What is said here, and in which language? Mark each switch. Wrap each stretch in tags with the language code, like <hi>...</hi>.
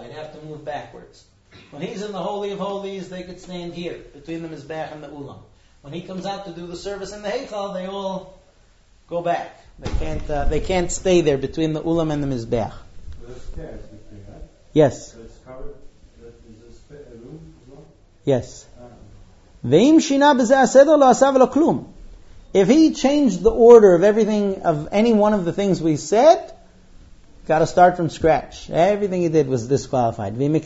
<en>They'd have to move backwards. When he's in the Holy of Holies, they could stand here, between the mizbech and the ulam. When he comes out to do the service in the heichal, they all go back. They can't stay there between the ulam and the mizbech. There's stairs between, right? Yes. So it's covered, there's a room as well? Yes.</en> <he>ואם שינה בזה הסדר לא עשה ולא כלום.</he> <en>If he changed the order of everything, of any one of the things we said, got to start from scratch. Everything he did was disqualified.</en>